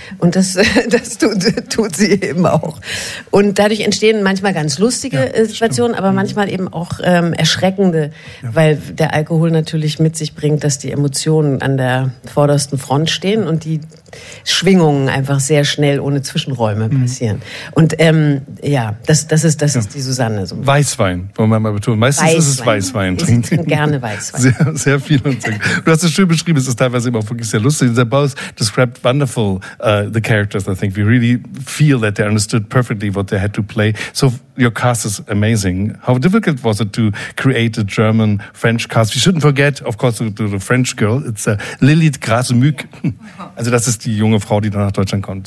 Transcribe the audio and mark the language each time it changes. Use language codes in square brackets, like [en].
[de] Und das tut sie eben auch. Und dadurch entstehen manchmal ganz lustige Situationen, aber manchmal eben auch erschreckende, weil der Alkohol natürlich mit sich bringt, dass die Emotionen an der vordersten Front stehen und die Schwingungen einfach sehr schnell ohne Zwischenräume passieren. Und das ist die Susanne. So. Weißwein, wollen wir mal betonen. Meistens ist es Weißwein. Ich trinke gerne Weißwein. Sehr, sehr viel. Du hast es schön beschrieben, es ist teilweise immer wirklich sehr lustig. [en] The boss described wonderful the characters, I think. We really feel that they understood perfectly what they had to play. So your cast is amazing. How difficult was it to create a German-French cast? We shouldn't forget, of course, the French girl. It's Lilith Grasemüg. [de] Also das ist die junge Frau, die dann nach Deutschland kommt.